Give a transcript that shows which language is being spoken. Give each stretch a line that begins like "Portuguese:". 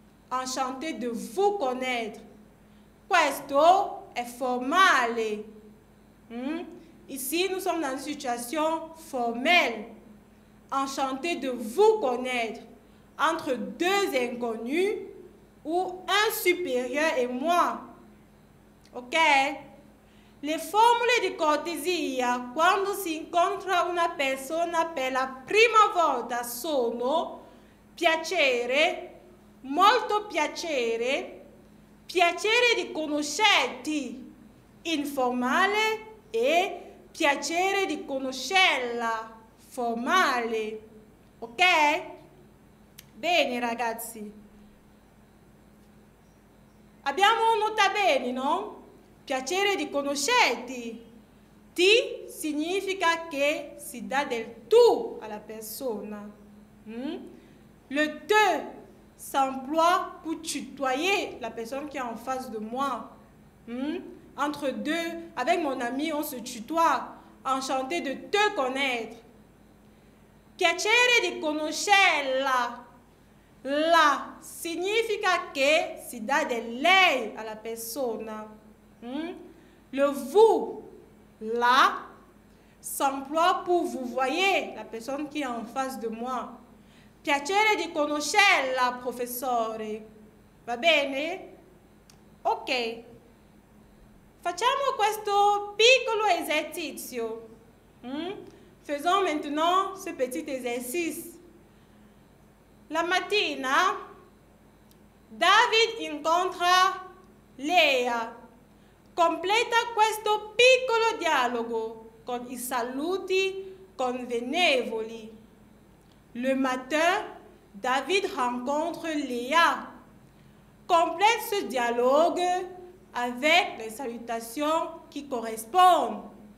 French: Enchanté de vous connaître.
Italian: Questo è formale.
French: Ici, nous sommes dans une situation formelle. Enchanté de vous connaître. Entre deux inconnus ou un supérieur et moi. Ok?
Italian: Le formule di cortesia quando si incontra una persona per la prima volta sono piacere, molto piacere, piacere di conoscerti, informale, e piacere di conoscerla, formale. Ok? Bene, ragazzi. Abbiamo notato bene, no? Piacere di conoscerti. Ti significa che si dà del tu alla persona.
French: Le te s'emploie pour tutoyer la personne qui est en face de moi. Entre deux, avec mon ami, on se tutoie. Enchanté de te connaître.
Italian: Piacere di conoscerla. La significa che si dà de lei alla persona.
French: Le vous, la, s'emploie pour vous voyez la personne qui est en face de moi.
Italian: Piacere di conoscerla, professore. Va bene? Ok. Facciamo questo piccolo esercizio.
French: Faisons maintenant ce petit exercice.
Italian: La mattina, David incontra Lea. Completa questo piccolo dialogo con i saluti convenevoli.
French: Le matin, David rencontre Léa. Complète ce dialogue avec les salutations qui correspondent.